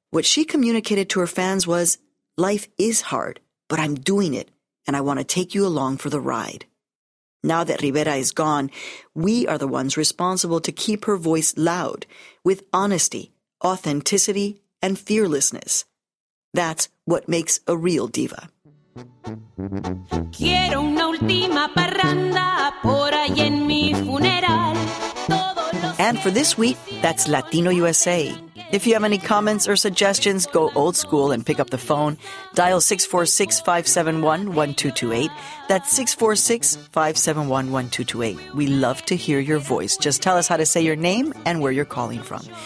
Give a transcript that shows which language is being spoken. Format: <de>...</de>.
<en>What she communicated to her fans was, "Life is hard, but I'm doing it, and I want to take you along for the ride." Now that Rivera is gone, we are the ones responsible to keep her voice loud, with honesty, authenticity, and fearlessness. That's what makes a real diva.</en> <es>Quiero una última parranda por ahí en mi funeral.</es> <en>And for this week, that's Latino USA. If you have any comments or suggestions, go old school and pick up the phone. Dial 646-571-1228. That's 646-571-1228. We love to hear your voice. Just tell us how to say your name and where you're calling from.</en>